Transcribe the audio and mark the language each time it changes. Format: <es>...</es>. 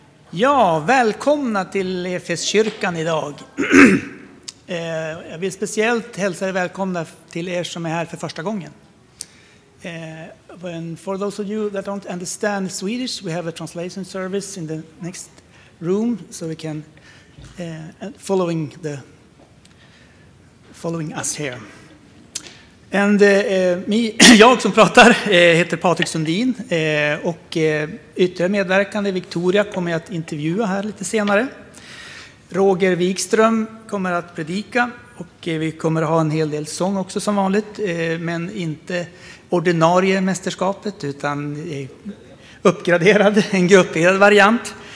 <sv>Ja, välkomna till Efeskyrkan idag. Jag vill speciellt hälsa er välkomna till er som är här för första gången.</sv> <en>For those of you that don't understand Swedish, we have a translation service in the next room, so we can following us here.</en> <sv>And jag som pratar heter Patrik Sundin och ytterligare medverkande Victoria kommer jag att intervjua här lite senare. Roger Wikström kommer att predika och vi kommer att ha en hel del sång också som vanligt, men inte ordinarie mästerskapet utan uppgraderad, en grupperad variant.</sv>